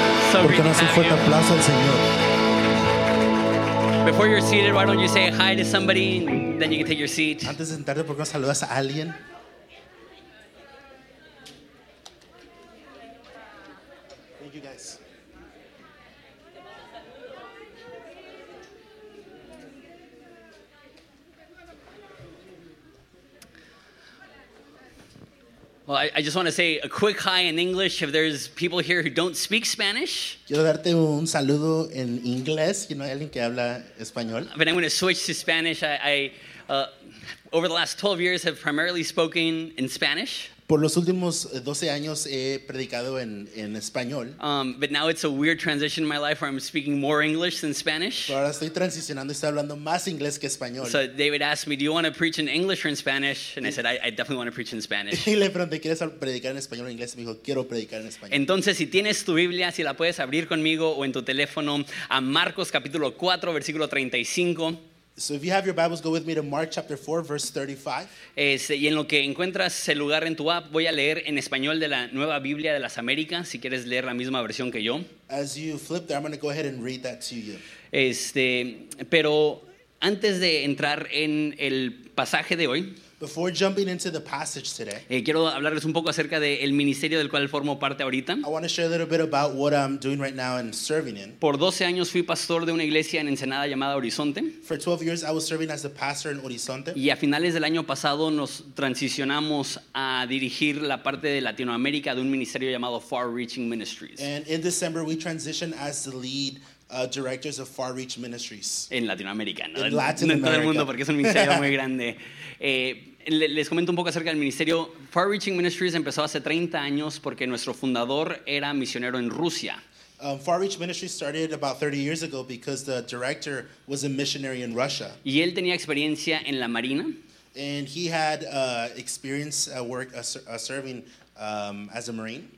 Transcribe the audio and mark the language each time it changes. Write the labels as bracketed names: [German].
[Spanish] So ¿por qué no hace fuerte aplauso al Señor? [English] Before you're seated, why don't you say hi to somebody, and then you can take your seat. [Spanish] Antes de sentarte, ¿por qué no saludas a alguien? [English] Thank you, guys. Well, I just want to say a quick hi in English if there's people here who don't speak Spanish. [Spanish] Quiero darte un saludo en inglés, si no hay alguien que habla español. [English] But I'm going to switch to Spanish. I over the last 12 years, have primarily spoken in Spanish. [Spanish] Por los últimos 12 años he predicado en español. [English] But now it's a weird transition in my life where I'm speaking more English than Spanish. [Spanish] Pero ahora estoy transicionando, estoy hablando más inglés que español. [English] So David asked me, do you want to preach in English or in Spanish? And I said, I definitely want to preach in Spanish. [Spanish] Y le pregunté, ¿quieres predicar en español o en inglés? Me dijo, quiero predicar en español. Entonces, si tienes tu Biblia, si la puedes abrir conmigo o en tu teléfono, a Marcos capítulo 4, versículo 35. [English] So if you have your Bibles, go with me to Mark chapter 4, verse 35. [Spanish] Y en lo que encuentras el lugar en tu app, voy a leer en español de la Nueva Biblia de las Américas, si quieres leer la misma versión que yo. [English] As you flip there, I'm going to go ahead and read that to you. [Spanish] Pero antes de entrar en el pasaje de hoy, [English] before jumping into the passage today, [Spanish] quiero hablarles un poco acerca del ministerio del cual formo parte ahorita. [English] I want to share a little bit about what I'm doing right now and serving in. [Spanish] Por 12 años fui pastor de una iglesia en Ensenada llamada Horizonte. [English] For 12 years I was serving as a pastor in Horizonte. [Spanish] Y a finales del año pasado nos transicionamos a dirigir la parte de Latinoamérica de un ministerio llamado Far Reaching Ministries. [English] And in December we transitioned as the lead directors of Far Reach Ministries. [Spanish] En Latinoamérica, ¿no? En todo el mundo, porque es un ministerio muy grande. Les comento un poco acerca del ministerio. Far Reaching Ministries empezó hace 30 años porque nuestro fundador era misionero en Rusia. [English] Far Reach Ministries started about 30 years ago because the director was a missionary in Russia. [Spanish] Y él tenía experiencia en la Marina. [English] And he had experience serving as a Marine.